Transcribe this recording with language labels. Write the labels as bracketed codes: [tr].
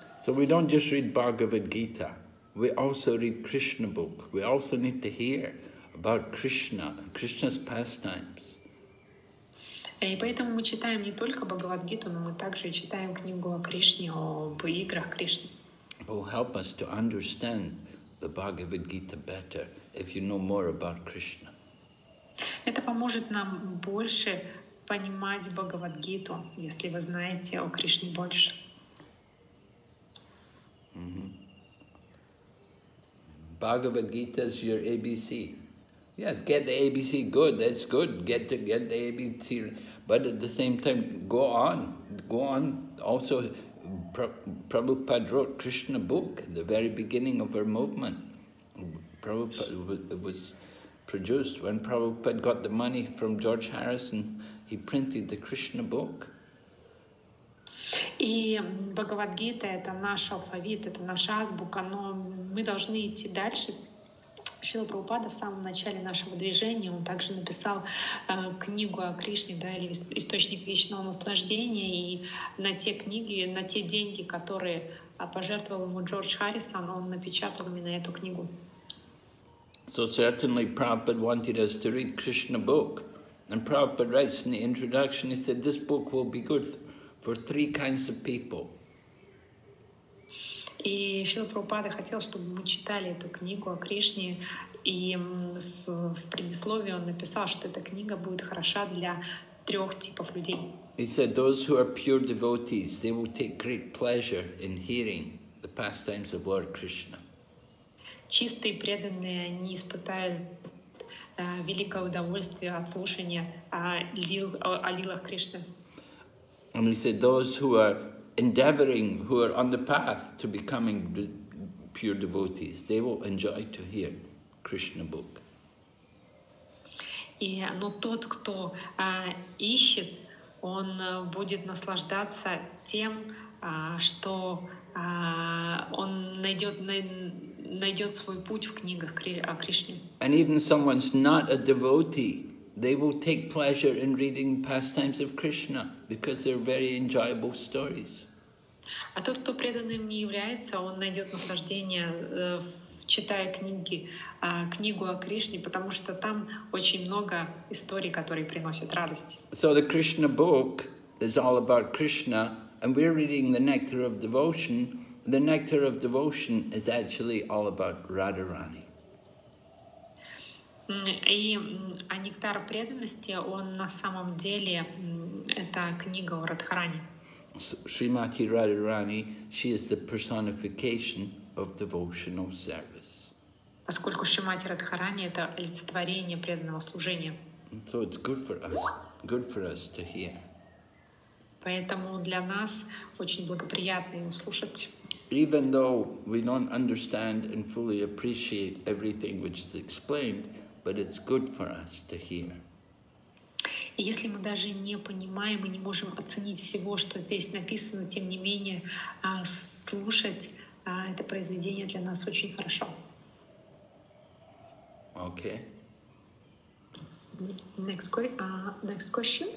[en] So we don't just read Bhagavad Gita, we also read Krishna book. We also need to hear about Krishna, Krishna's pastimes. [ru] И поэтому мы читаем не только Бхагавад Гиту, но мы также читаем книгу о Кришне, об играх Кришны. [en] It will help us to understand the Bhagavad Gita better if you know more about Krishna. [ru] Это поможет нам больше понимать Бхагавад Гиту, если вы знаете о Кришне больше. [en] Bhagavad Gita is your ABC. Yeah, get the ABC good, that's good. Get the ABC. But at the same time, go on. Also, Prabhupada wrote Krishna book in the very beginning of our movement. Prabhupada was produced when Prabhupada got the money from George Harrison, he printed the Krishna book. [ru] И Бхагавад-гита — это наш алфавит, это наша азбука, но мы должны идти дальше. Шрила Прабхупада в самом начале нашего движения, он также написал книгу о Кришне, да, или «Источник вечного наслаждения», и на те деньги, которые пожертвовал ему Джордж Харрисон, он напечатал именно эту книгу. [en] So certainly Prabhupada wanted us to read Krishna book. And Prabhupada writes in the introduction, he said, this book will be good for three kinds of people. [ru] И Шрила Прабхупада хотел, чтобы мы читали эту книгу о Кришне, и в предисловии он написал, что эта книга будет хороша для трех типов людей. [en] He said, those who are pure devotees, they will take great pleasure in hearing the pastimes of Lord Krishna. [ru] Чистые преданные, они испытают великое удовольствие от слушания о лилах Кришны. [en] And he said, those who are endeavoring, who are on the path to becoming pure devotees, they will enjoy to hear Krishna book. [ru] И, но тот, кто ищет, он будет наслаждаться тем, что он найдет свой путь в книгах о Кришне. [en] And even someone's not a devotee, they will take pleasure in reading pastimes of Krishna because they're very enjoyable stories. [ru] А тот, кто преданным не является, он найдет наслаждение, читая книги, книгу о Кришне, потому что там очень много историй, которые приносят радость. [en] So the Krishna book is all about Krishna, and we're reading the Nectar of Devotion. The Nectar of Devotion is actually all about Radharani. [ru] И а Нектар преданности, он на самом деле, это книга о Радхаране. [en] Shrimati Radharani, she is the personification of devotional service. [ru] Поскольку Шримати Радхарани это олицетворение преданного служения. [en] So it's good for us to hear. [ru] Поэтому для нас очень благоприятно ее слушать. [en] Even though we don't understand and fully appreciate everything which is explained, but it's good for us to hear. [ru] И если мы даже не понимаем и не можем оценить всего, что здесь написано, тем не менее, слушать это произведение для нас очень хорошо. [en] Okay. Next question?